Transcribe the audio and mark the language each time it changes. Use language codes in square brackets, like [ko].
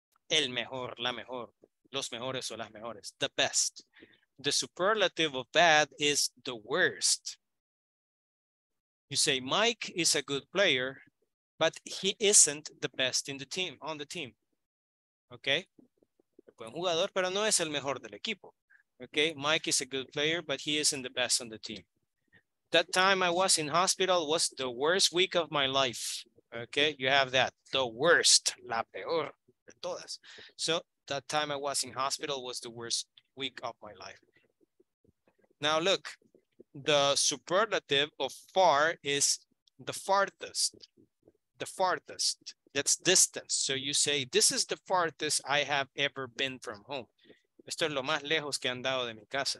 [es] El mejor, la mejor, los mejores o las mejores, [en] the best. The superlative of bad is the worst. You say Mike is a good player, but he isn't the best in the team, on the team. Okay? [es] Buen jugador, pero no es el mejor del equipo. [en] Okay, Mike is a good player, but he isn't the best on the team. That time I was in hospital was the worst week of my life. Okay, you have that. The worst, [es] la peor de todas. [en] So that time I was in hospital was the worst week of my life. Now look, the superlative of far is the farthest. The farthest, that's distance. So you say, this is the farthest I have ever been from home. [es] Esto es lo más lejos que he andado de mi casa.